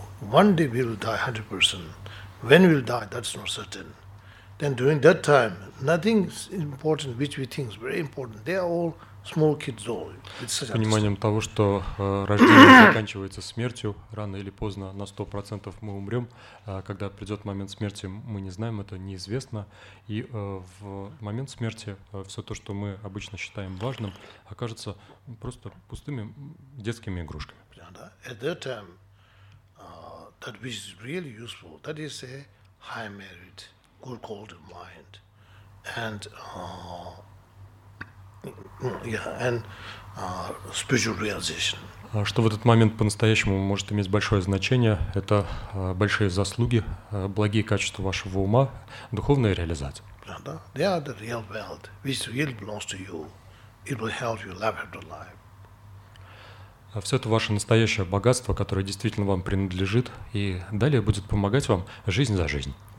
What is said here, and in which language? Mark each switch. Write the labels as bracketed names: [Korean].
[English] One day we will die 100%. When we will die, that's not certain. Then during that time, nothing is important which we think is very important. They are all small kids all. [Russian] С пониманием того, что рождение заканчивается смертью, рано или поздно на 100% мы умрем. Когда придет момент смерти, мы не знаем, это неизвестно. И в момент смерти все то, что мы обычно считаем важным, окажется просто пустыми детскими игрушками. [English] At that time, that which is really useful, that is a high merit, good quality of mind, and spiritual realization. [Russian] Что в этот момент по-настоящему может иметь большое значение, это большие заслуги, благие качества вашего ума, духовная реализация. [English] Да, they are the real wealth, which really belongs to you. It will help you live after life. [Russian] Все это ваше настоящее богатство, которое действительно вам принадлежит, и далее будет помогать вам жизнь за жизнь.